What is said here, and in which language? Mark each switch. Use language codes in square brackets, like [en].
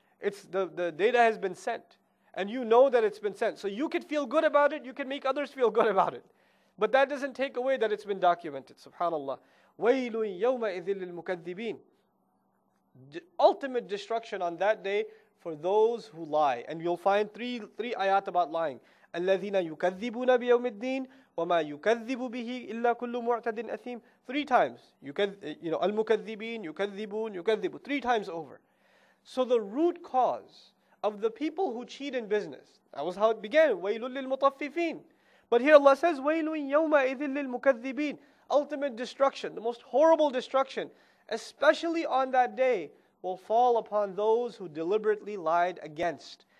[en] It's the data has been sent. And you know that it's been sent. So you could feel good about it, you can make others feel good about it. But that doesn't take away that it's been documented. Subhanallah. [ar] وَيْلٌ يَوْمَئِذٍ لِلْمُكَذِّبِينَ [en] Ultimate destruction on that day for those who lie. And you'll find three ayat about lying. [ar] الَّذِينَ يُكَذِّبُونَ بِيَوْمِ الدِّينَ وَمَا يُكَذِّبُ بِهِ إِلَّا كُلُّ مُعْتَدٍ أَثِيمٍ [en] Three times. [ar] الْمُكَذِّبِينَ يُكَذِّبُونَ يُكَذِّبُ [en] Three times over. So the root cause of the people who cheat in business, that was how it began. [ar] وَيْلٌ لِلْمُطَفِّفِينَ [en] But here Allah says, [ar] وَيْلٌ يَوْمَئِذٍ لِلْمُكَذِّبِينَ [en] Ultimate destruction, the most horrible destruction, especially on that day, will fall upon those who deliberately lied against.